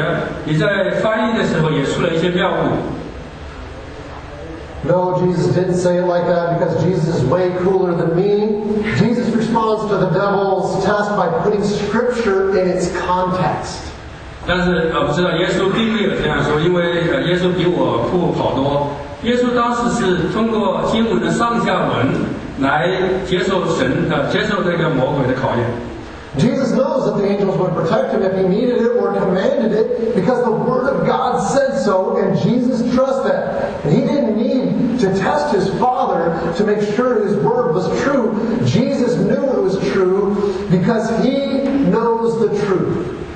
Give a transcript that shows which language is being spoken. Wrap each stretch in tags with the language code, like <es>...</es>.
<zh>那耶稣是不是看着撒旦说，你在圣经研究中没有使用正确的释经学，你在翻译的时候也出了一些谬误。</zh> <en>No, Jesus didn't say it like that because Jesus is way cooler than me. Jesus responds to the devil's test by putting scripture in its context.</en> <zh>但是我不知道耶稣并没有这样说，因为耶稣比我酷好多。耶稣当时是通过经文的上下文来接受神的，接受这个魔鬼的考验。</zh> <en>Jesus knows that the angels would protect him if he needed it or commanded it because the word of God said so and Jesus trusts that. And he didn't need to test his father to make sure his word was true. Jesus knew it was true because he knows the truth.</en>